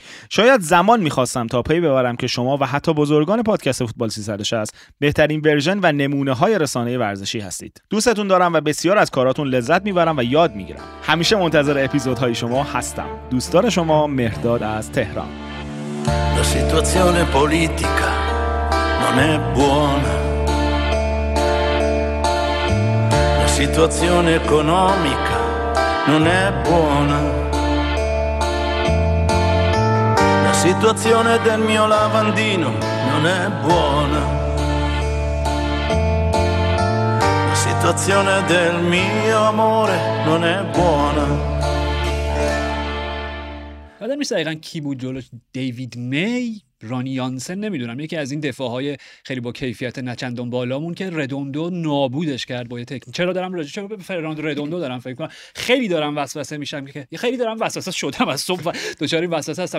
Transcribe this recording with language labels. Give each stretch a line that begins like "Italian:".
Persian: شاید زمان می‌خواستم تا پی ببرم که شما و حتی بزرگان پادکست فوتبال 360 بهترین ورژن و نمونه‌های رسانه ورزشی هستید. دوستتون دارم و بسیار از کاراتون لذت می‌برم و یاد می‌گیرم. همیشه منتظر اپیزودهای شما هستم. دوستدار شما مهرداد از تهران.
Italian: La situazione politica non è buona. La situazione economica non è buona. La situazione del mio lavandino non è buona. La situazione del mio amore non è buona.
Persian: یادم نیست دقیقا کی بود جلوش، دیوید می، رانی یانسن، نمیدونم، یکی از این دفاعهای خیلی با کیفیت نچندان بالامون که ردوندو نابودش کرد با یه تکنیک. چرا دارم راجع به فرناندو ردوندو دارم فکر کنم؟ خیلی دارم وسوسه میشم، که خیلی دارم وسوسه شدم از صبح و دوچاری وسوسه هستم.